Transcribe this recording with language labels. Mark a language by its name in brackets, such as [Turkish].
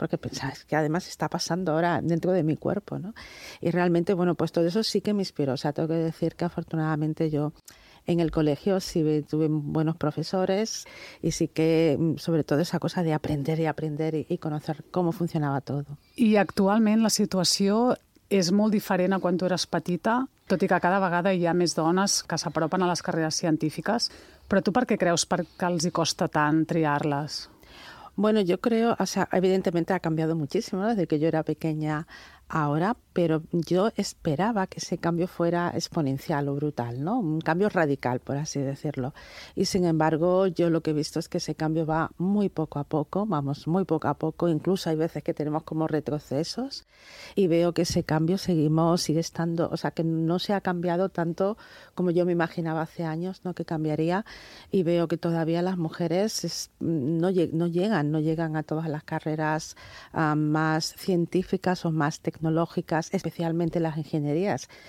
[Spanish] Porque pensabas que además está pasando ahora dentro de mi cuerpo, ¿no? Y realmente, bueno, pues todo eso sí que me inspiró. O sea, tengo que decir que afortunadamente yo en el colegio sí tuve buenos profesores y sí que sobre todo esa cosa de aprender y conocer cómo funcionaba todo. [Catalan] I actualment la situació és molt diferent a quan tu eres petita, tot i que cada vegada hi ha més dones que s'apropen a les carreres científiques. Però tu per què creus que els hi costa tant triar-les? [Spanish] Bueno, yo creo, o sea, evidentemente ha cambiado muchísimo desde que yo era pequeña ahora, pero yo esperaba que ese cambio fuera exponencial o brutal, ¿no? Un cambio radical, por así decirlo. Y sin embargo, yo lo que he visto es que ese cambio va muy poco a poco, vamos, muy poco a poco, incluso hay veces que tenemos como retrocesos y veo que ese cambio sigue estando, o sea, que no se ha cambiado tanto como yo me imaginaba hace años, ¿no?, que cambiaría, y veo que todavía las mujeres no llegan a todas las carreras más científicas o más tecnológicas, especialmente las ingenierías.